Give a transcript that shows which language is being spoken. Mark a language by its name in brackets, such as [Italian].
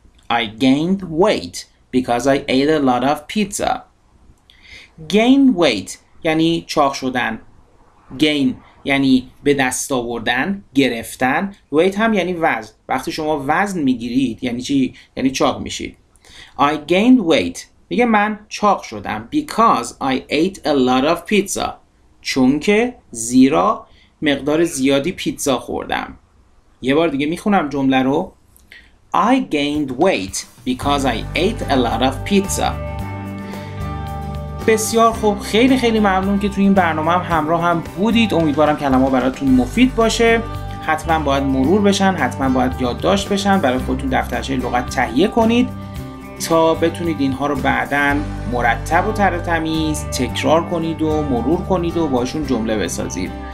[English] I gained weight because I ate a lot of pizza. [Persian] Gain weight یعنی چاق شدن. Gain یعنی به دست آوردن، گرفتن. Weight هم یعنی وزن. وقتی شما وزن میگیرید یعنی چی؟ یعنی چاق میشید. [English] I gained weight. [Persian] میگه من چاق شدم. [English] Because I ate a lot of pizza. [Persian] چون که زیرا مقدار زیادی پیتزا خوردم. یه بار دیگه میخونم جمله رو. [English] I gained weight because I ate a lot of pizza. [Persian] بسیار خوب. خیلی خیلی ممنون که تو این برنامه هم همراه هم بودید. امیدوارم کلمه براتون مفید باشه. حتما باید مرور بشن. حتما باید یادداشت بشن. برای خودتون دفترچه لغت تهیه کنید تا بتونید اینها رو بعداً مرتب و تر تمیز تکرار کنید و مرور کنید و باشون جمله بسازید.